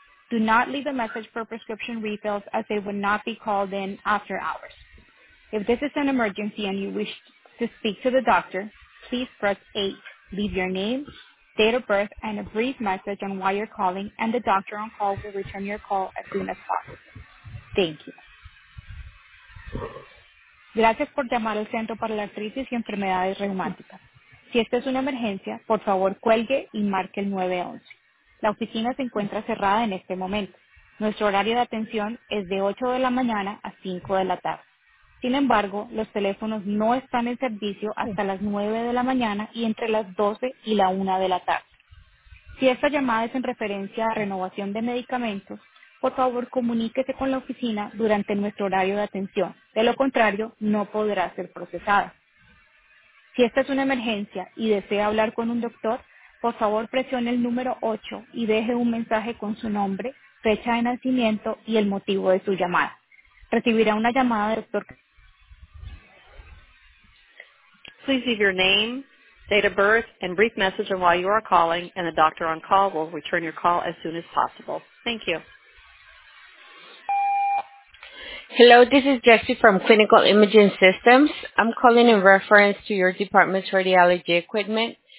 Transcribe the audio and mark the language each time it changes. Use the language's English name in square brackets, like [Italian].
[English] Do not leave a message for prescription refills as they would not be called in after hours. If this is an emergency and you wish to speak to the doctor, please press 8. Leave your name, date of birth, and a brief message on why you're calling, and the doctor on call will return your call as soon as possible. Thank you. [Spanish] Gracias por llamar al Centro para la Artritis y Enfermedades Reumáticas. Si esta es una emergencia, por favor cuelgue y marque el 911. La oficina se encuentra cerrada en este momento. Nuestro horario de atención es de 8 de la mañana a 5 de la tarde. Sin embargo, los teléfonos no están en servicio hasta las 9 de la mañana y entre las 12 y la 1 de la tarde. Si esta llamada es en referencia a renovación de medicamentos, por favor comuníquese con la oficina durante nuestro horario de atención. De lo contrario, no podrá ser procesada. Si esta es una emergencia y desea hablar con un doctor, por favor presione el número 8 y deje un mensaje con su nombre, fecha de nacimiento y el motivo de su llamada. Recibirá una llamada del doctor. [English] Please leave your name, date of birth, and brief message on why you are calling, and the doctor on call will return your call as soon as possible. Thank you. Hello, this is Jessie from Clinical Imaging Systems. I'm calling in reference to your department's radiology equipment.